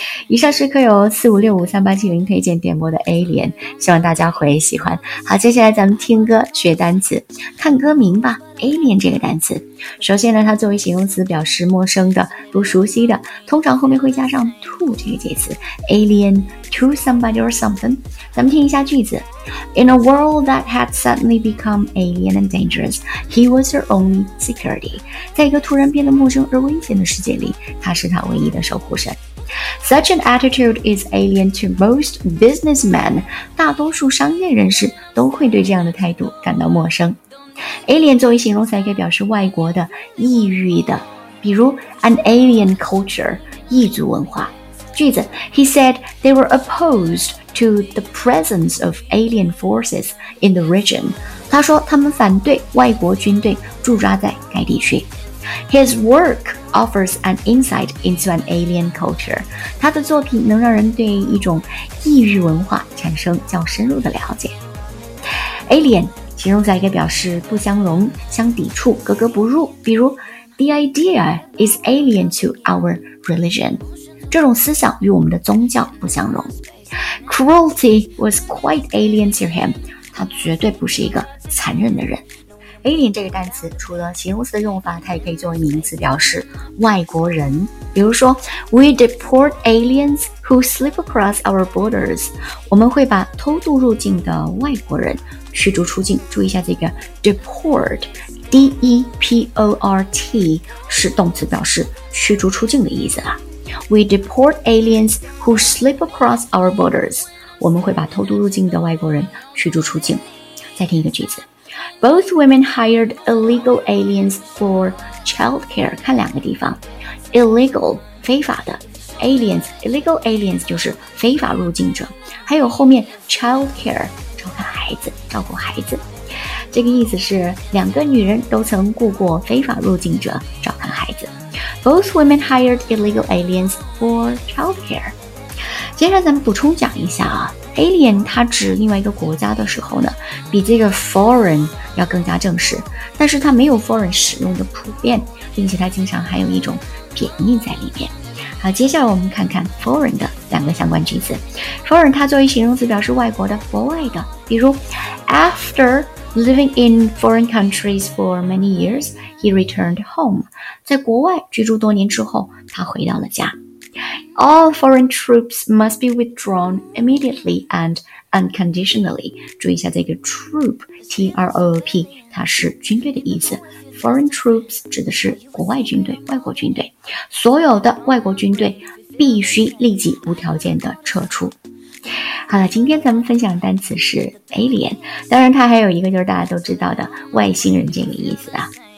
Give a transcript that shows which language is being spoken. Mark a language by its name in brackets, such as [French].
[Chinese] 以上是刻有456538870推荐点播的 Alien， 希望大家会喜欢。好，接下来咱们听歌学单词看歌名吧。 Alien 这个单词，首先呢它作为形容词表示陌生的不熟悉的，通常后面会加上 to 这个介词 Alien to somebody or something。咱们听一下句子。 [English] In a world that had suddenly become alien and dangerous, he was her only security. [Chinese] 在一个突然变得陌生而危险的世界里，他是他唯一的守护神。 [English] Such an attitude is alien to most businessmen. [Chinese] 大多数商业人士都会对这样的态度感到陌生。 Alien 作为形容词可以表示外国的、异域的，比如 an alien culture 异族文化。 [English] 句子， He said they were opposed to the presence of alien forces in the region. [Chinese] 他说他们反对外国军队驻扎在该地区。 [English] His work offers an insight into an alien culture. [Chinese] 他的作品能让人对一种异域文化产生较深入的了解。 Alien 形容词可以表示不相容、相抵触、格格不入，比如 The idea is alien to our religion. 这种思想与我们的宗教不相容。 Cruelty was quite alien to him. 他绝对不是一个残忍的人。Alien 这个单词除了形容词的用法，它也可以作为名词表示外国人。 [English] 比如说 We deport aliens who slip across our borders. [Chinese] 我们会把偷渡入境的外国人驱逐出境。注意一下这个 deport, D-E-P-O-R-T 是动词表示驱逐出境的意思啊。 [English] We deport aliens who slip across our borders. [Chinese] 我们会把偷渡入境的外国人驱逐出境。再听一个句子。 [English] Both women hired illegal aliens for childcare. [Chinese] 看两个地方 ，illegal 非法的 aliens illegal aliens 就是非法入境者，还有后面 childcare 照看孩子，照顾孩子，这个意思是两个女人都曾雇过非法入境者照看孩子。 [English] Both women hired illegal aliens for childcare. [Chinese] 接下来咱们补充讲一下啊。 Alien 它指另外一个国家的时候呢，比这个 foreign 要更加正式，但是它没有 foreign 使用的普遍，并且它经常还有一种贬义在里面。好，接下来我们看看 foreign 的两个相关句子。foreign 它作为形容词表示外国的，国外的，比如 after living in foreign countries for many years he returned home，在国外居住多年之后他回到了家。 [English] All foreign troops must be withdrawn immediately and unconditionally. [Chinese] 注意一下这个 troop, T-R-O-O-P, 它是军队的意思。 Foreign troops 指的是国外军队，外国军队。所有的外国军队必须立即无条件的撤出。好了，今天咱们分享的单词是 alien。当然它还有一个就是大家都知道的外星人这个意思啊。